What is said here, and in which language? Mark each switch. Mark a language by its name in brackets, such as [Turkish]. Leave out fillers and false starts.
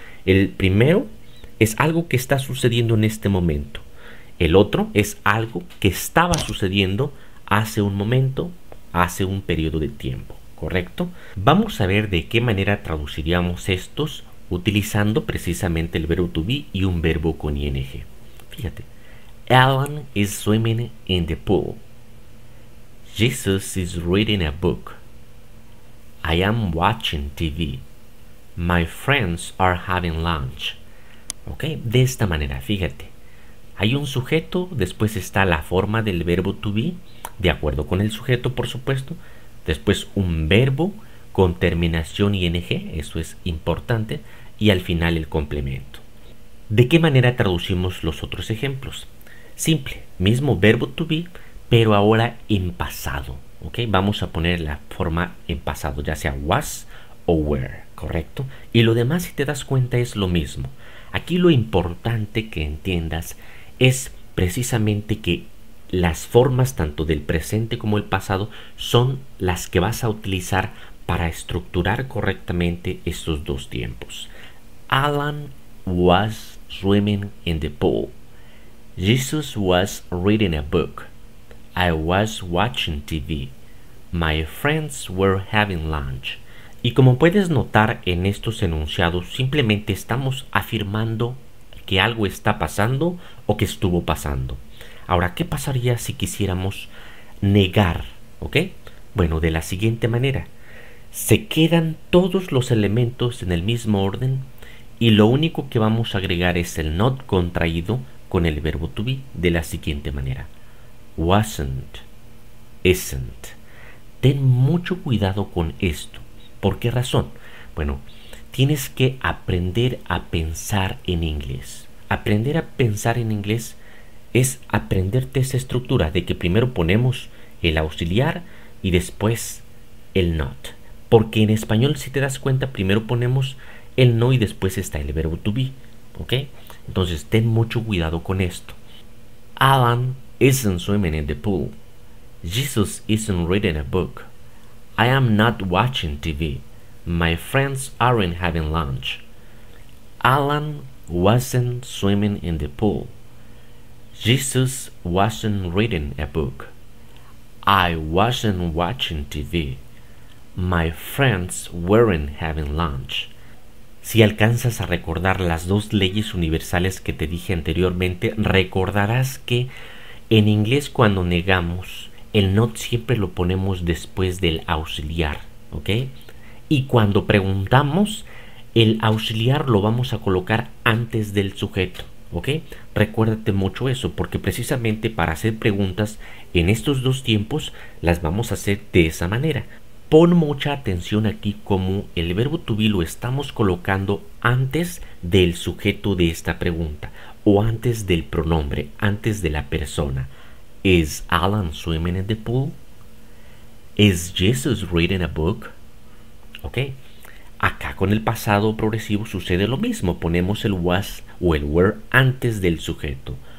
[Spanish] El primero es algo que está sucediendo en este momento. El otro es algo que estaba sucediendo hace un momento, hace un periodo de tiempo, ¿correcto? Vamos a ver de qué manera traduciríamos estos utilizando precisamente el verbo to be y un verbo con ing. Fíjate. [English] Alan is swimming in the pool. Jesus is reading a book. I am watching TV. My friends are having lunch. [Spanish] Ok, de esta manera, fíjate. Hay un sujeto, después está la forma del verbo to be, de acuerdo con el sujeto, por supuesto. Después un verbo con terminación ing, eso es importante. Y al final el complemento. ¿De qué manera traducimos los otros ejemplos? Simple, mismo verbo to be, pero ahora en pasado. ¿Ok? Vamos a poner la forma en pasado, ya sea was o were, ¿correcto? Y lo demás, si te das cuenta, es lo mismo. Aquí lo importante que entiendas es precisamente que las formas tanto del presente como el pasado son las que vas a utilizar para estructurar correctamente estos dos tiempos. [English] Alan was swimming in the pool. Jesus was reading a book. I was watching TV. My friends were having lunch. [Spanish] Y como puedes notar en estos enunciados, simplemente estamos afirmando que algo está pasando o que estuvo pasando. Ahora, ¿qué pasaría si quisiéramos negar? ¿Ok? Bueno, de la siguiente manera. Se quedan todos los elementos en el mismo orden y lo único que vamos a agregar es el not contraído con el verbo to be de la siguiente manera. [English] Wasn't, isn't. [Spanish] Ten mucho cuidado con esto. ¿Por qué razón? Bueno, tienes que aprender a pensar en inglés. Aprender a pensar en inglés es aprenderte esa estructura de que primero ponemos el auxiliar y después el not. Porque en español, si te das cuenta, primero ponemos el no y después está el verbo to be. ¿Ok? Entonces, ten mucho cuidado con esto. [English] Alan isn't swimming in the pool. Jesus isn't reading a book. I am not watching TV. My friends aren't having lunch. Alan wasn't swimming in the pool. Jesus wasn't reading a book. I wasn't watching TV. My friends weren't having lunch. [Spanish] Si alcanzas a recordar las dos leyes universales que te dije anteriormente, recordarás que en inglés cuando negamos, el not siempre lo ponemos después del auxiliar, ¿ok? Y cuando preguntamos, el auxiliar lo vamos a colocar antes del sujeto, ¿ok? Recuérdate mucho eso, porque precisamente para hacer preguntas en estos dos tiempos, las vamos a hacer de esa manera. Pon mucha atención aquí como el verbo to be lo estamos colocando antes del sujeto de esta pregunta o antes del pronombre, antes de la persona. [English] ¿Is Alan swimming in the pool? ¿Is Jesus reading a book? Ok. [Spanish] Acá con el pasado progresivo sucede lo mismo. Ponemos el was o el were antes del sujeto.